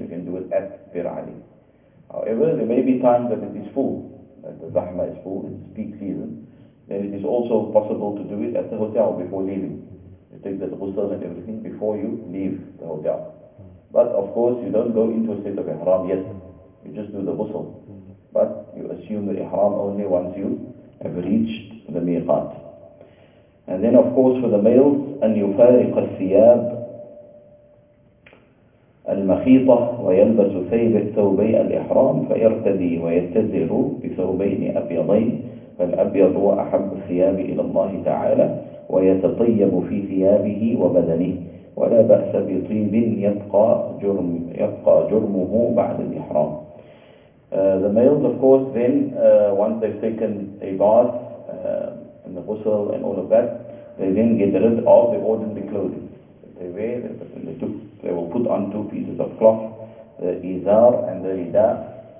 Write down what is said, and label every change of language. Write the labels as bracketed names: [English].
[English] You can do it at Bir Ali. However, there may be times that it is full, that the zahma is full, it's peak season, then it is also possible to do it at the hotel before leaving. You take the ghusl and everything before you leave the hotel. But of course, you don't go into a state of ihram yet. You just do the ghusl. But you assume the ihram only once you have reached the miqat. [Arabic] And then of course for the males, أن يفارق الثياب المخيطة ويلبس ثوبي الإحرام فيرتدي ويتزر بثوبين أبيضين فالأبيض هو أحب الثياب إلى الله تعالى ويتطيب في ثيابه وبدنه ولا بأس بطيب يبقى جرمه بعد الإحرام. [English] The males of course then once they've taken a bath and the ghusl and all of that, they then get rid of the ordinary clothing that they wear. They will put on two pieces of cloth, the izar and the rida.